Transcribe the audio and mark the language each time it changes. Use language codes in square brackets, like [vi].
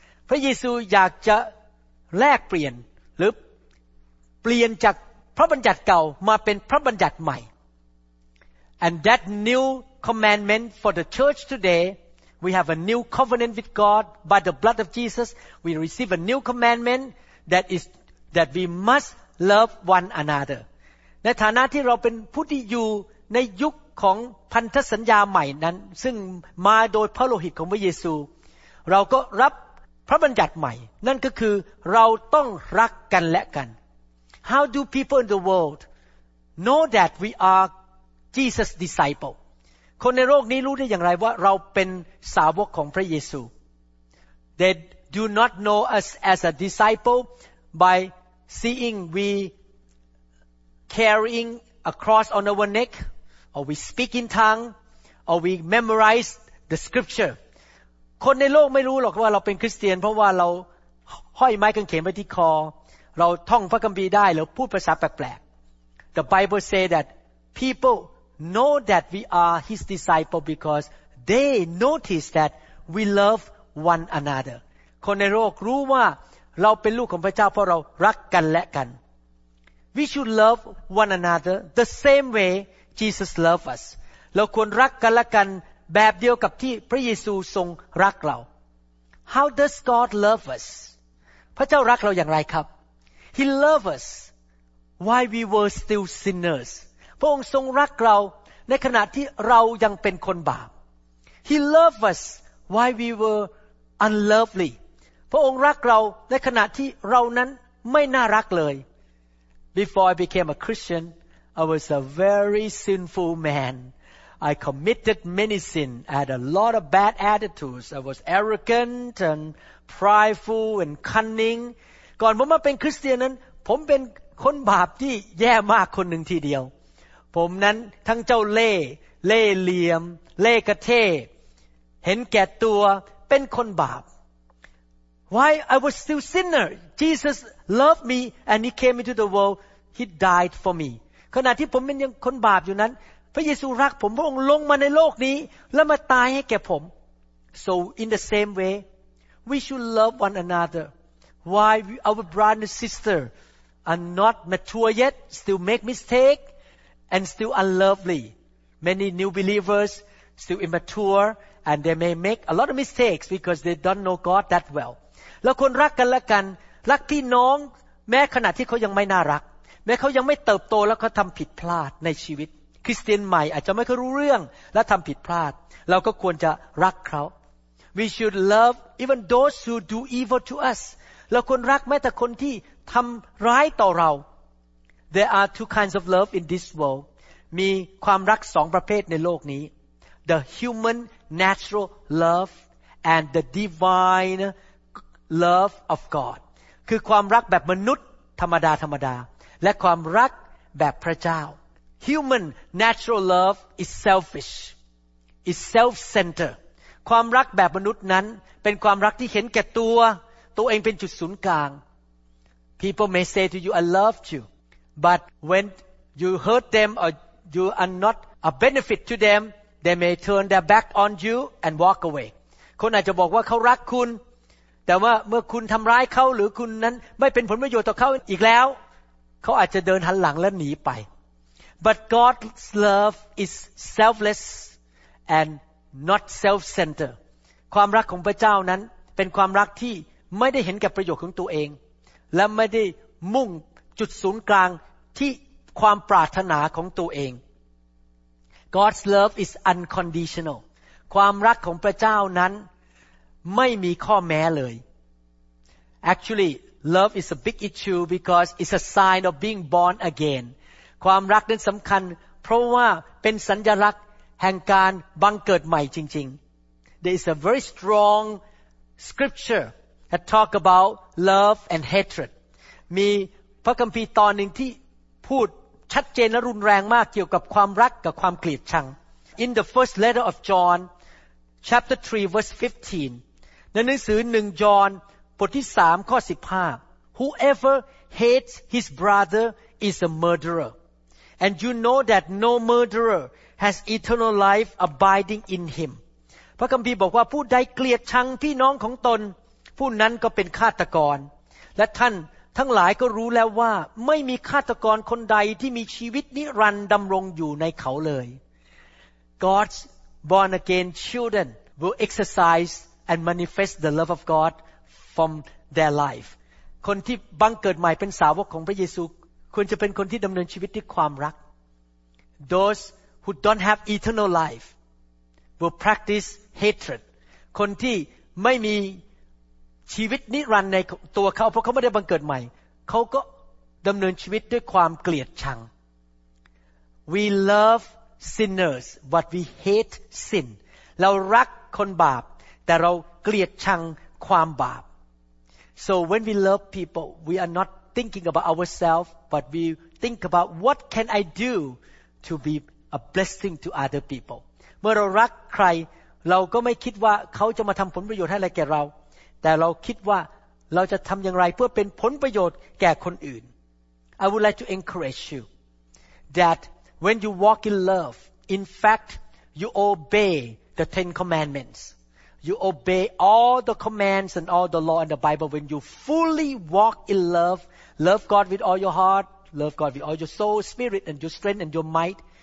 [th] พระเยซูอยากจะแลกเปลี่ยนหรือเปลี่ยนจากพระบัญญัติเก่ามาเป็นพระบัญญัติใหม่ [en] And that newCommandment for the church today, we have a new covenant with God by the blood of Jesus. We receive a new commandment that is that we must love one another. [th] ในฐานะที่เราเป็นผู้ที่อยู่ในยุคของพันธสัญญาใหม่นั้นซึ่งมาโดยพระโลหิตของพระเยซูเราก็รับพระบัญญัติใหม่นั่นก็คือเราต้องรักกันและกัน [en] How do people in the world know that we are Jesus' disciple? [th] คนในโลกนี้รู้ได้อย่างไรว่าเราเป็นสาวกของพระเยซู [en] They do not know us as a disciple by seeing we carrying a cross on our neck, or we speak in tongue, or we memorize the scripture. [th] คนในโลกไม่รู้หรอกว่าเราเป็นคริสเตียนเพราะว่าเราห้อยไม้กางเขนไว้ที่คอเราท่องพระคัมภีร์ได้หรือพูดภาษาแปลก [en] ๆ The Bible say that people know that we are His disciple because they notice that we love one another. [th] คนในโลกรู้ว่าเราเป็นลูกของพระเจ้าเพราะเรารักกันและกัน [en] We should love one another the same way Jesus loved us. [th] เราควรรักกันและกันแบบเดียวกับที่พระเยซูทรงรักเรา [en] How does God love us? [th] พระเจ้ารักเราอย่างไรครับ [en] He loved us while we were still sinners. [th] พระองค์ทรงรักเราในขณะที่เรายังเป็นคนบาป [en] He loved us while we were unlovely. [th] พระองค์รักเราในขณะที่เรานั้นไม่น่ารักเลย [en] Before I became a Christian, I was a very sinful man. I committed many sins. I had a lot of bad attitudes. I was arrogant and prideful and cunning. [th] ก่อนผมมาเป็นคริสเตียนนั้นผมเป็นคนบาปที่แย่มากคนหนึ่งทีเดียวผมนั้นทั้งเจ้าเล่เหลี่ยมเล่กระเท่เห็นแก่ตัวเป็นคนบาป [en] Why I was still sinner? Jesus loved me and He came into the world. He died for me. [th] ขณะที่ผมเป็นยังคนบาปอยู่นั้นพระเยซูรักผมพระองค์ลงมาในโลกนี้แล้วมาตายให้แก่ผม [en] So in the same way we should love one another while our brother and sister are not mature yet still make mistake and still unlovely many new believers still immature and they may make a lot of mistakes because they don't know God that well [th] แล้วคนรักกันละกันรักพี่น้องแม้ขณะที่เขายังไม่น่ารักแม้เขายังไม่เติบโตแล้วเขาทำผิดพลาดในชีวิตคริสเตียนใหม่อาจจะไม่ค่อยรู้เรื่องและทำผิดพลาดเราก็ควรจะรักเขา [en] We should love even those who do evil to us [th] เราควรรักแม้แต่คนที่ทำร้ายต่อเรา [en] There are two kinds of love in this world [th] มีความรักสองประเภทในโลกนี้ [en] The human natural love and the divine love of God [th] คือความรักแบบมนุษย์ธรรมดาธรรมดาและความรักแบบพระเจ้า [en] Human natural love is selfish, is self-centered. [th] ความรักแบบมนุษย์นั้นเป็นความรักที่เห็นแก่ตัวตัวเองเป็นจุดศูนย์กลาง [en] People may say to you, "I love you," but when you hurt them or you are not a benefit to them, they may turn their back on you and walk away. [th] คนอาจจะบอกว่าเขารักคุณแต่ว่าเมื่อคุณทำร้ายเขาหรือคุณนั้นไม่เป็นผลประโยชน์ต่อเขาอีกแล้วเขาอาจจะเดินหันหลังและหนีไป [en] But God's love is selfless and not self-centered. [th] ความรักของพระเจ้านั้นเป็นความรักที่ไม่ได้เห็นแก่ประโยชน์ของตัวเองและไม่ได้มุ่งจุดศูนย์กลางที่ความปรารถนาของตัวเอง [en] God's love is unconditional. [th] ความรักของพระเจ้านั้นไม่มีข้อแม้เลย [en] Actually, love is a big issue because it's a sign of being born again. [th] ความรักนั้นสำคัญเพราะว่าเป็นสัญลักษณ์แห่งการบังเกิดใหม่จริง [en] ๆ There is a very strong scripture that talk about love and hatred [th] มีพระคัมภีร์ตอนหนึ่งที่พูดชัดเจนและรุนแรงมากเกี่ยวกับความรักกับความเกลียดชัง [en] In the first letter of John chapter 3 verse 15 [th] ในหนังสือ1ยอห์นบทที่3ข้อ15 [en] Whoever hates his brotherIs a murderer, and you know that no murderer has eternal life abiding in him. [th] พระคัมภีร์บอกว่าผู้ใดเกลียดชังพี่น้องของตนผู้นั้นก็เป็นฆาตกรและท่านทั้งหลายก็รู้แล้วว่าไม่มีฆาตกรคนใดที่มีชีวิตนิรันดร์ดำรงอยู่ในเขาเลย [en] God's born again children will exercise and manifest the love of God from their life. [th] คนที่บังเกิดใหม่เป็นสาวกของพระเยซูควรจะเป็นคนที่ดำเนินชีวิตด้วยความรัก [en] Those who don't have eternal life will practice hatred [th] คนที่ไม่มีชีวิตนิรันดร์ในตัวเขาเพราะเขาไม่ได้บังเกิดใหม่เขาก็ดำเนินชีวิตด้วยความเกลียดชัง [en] We love sinners but we hate sin [th] เรารักคนบาปแต่เราเกลียดชังความบาป [en] So when we love people we are not thinking about ourselves but we think about what can I do to be a blessing to other people. [th] เมื่อเรารักใครเราก็ไม่คิดว่าเขาจะมาทำผลประโยชน์ให้อะไรแก่เราแต่เราคิดว่าเราจะทำอย่างไรเพื่อเป็นผลประโยชน์แก่คนอื่น [en] I would like to encourage you that when you walk in love, in fact, you obey the Ten Commandments. You obey all the commands and all the law in the Bible when you fully walk in love. Love God with all your heart. Love God with all your soul, spirit, and your strength, and your might.